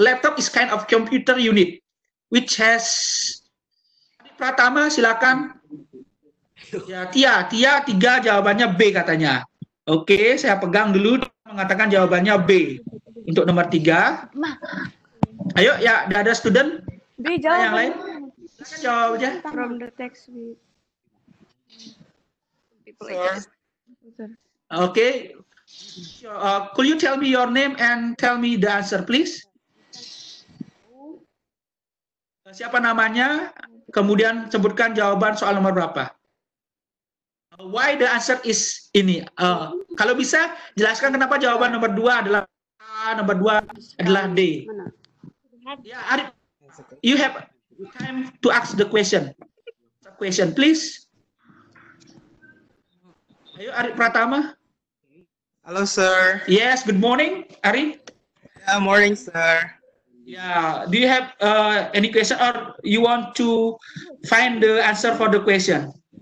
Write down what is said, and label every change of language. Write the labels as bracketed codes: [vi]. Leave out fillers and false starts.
[en] Laptop is kind of computer unit, which has... [id] Pratama, silakan. Ya, Tia, 3 jawabannya B katanya. Oke, saya pegang dulu mengatakan jawabannya B untuk nomor 3. Ayo ya, ada student? B jawab. Nah, yang lain? Jawab aja. [en] From the text we people. Oke. Okay. Could you tell me your name and tell me the answer please? [id] Siapa namanya? Kemudian sebutkan jawaban soal nomor berapa? [en] Why the answer is [id] ini? Kalau bisa jelaskan kenapa jawaban nomor 2 adalah A, nomor 2 adalah D. Ya, [en] Arif, you have time to ask the question. Question, please. [id] Ayo, Arif Pratama. [en] Hello, sir. Yes, good morning, Arif. Yeah, morning, sir. Yeah, do you have any question or you want to find the answer for the question?